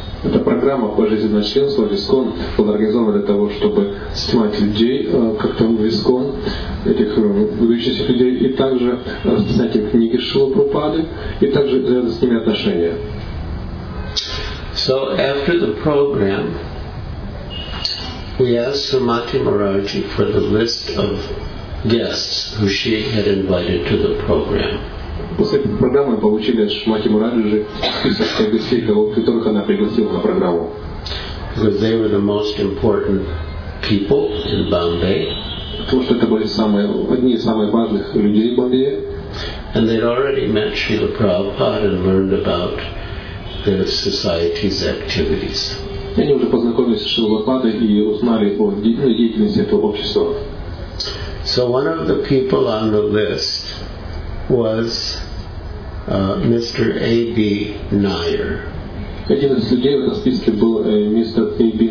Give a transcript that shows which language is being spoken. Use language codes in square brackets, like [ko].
[ru] Эта программа пожизненного членства в ИСККОН была организована для того, чтобы снимать людей как-то в ИСККОН, этих выдающихся людей, и также снять им книги Шрилы Прабхупады, и также с ними отношения. [en] So after the program, we asked Sumati Maharaji for the list of guests who she had invited to the program. [ru] После программы получили от Шмати Мураджи список тех гостей, которых она пригласила на программу. [en] Because they were the most important people in Bombay. [ru] Потому что это были одни из самых важных людей в Бомбее. [en] And they'd already met Srila Prabhupada and learned about the society's activities. [ru] И они уже познакомились с Шрила Прабхупадой и узнали о деятельности этого общества. [en] So one of the people on the list was Mr. A.B. Nair. [ru] Один из людей в этом списке был мистер A.B.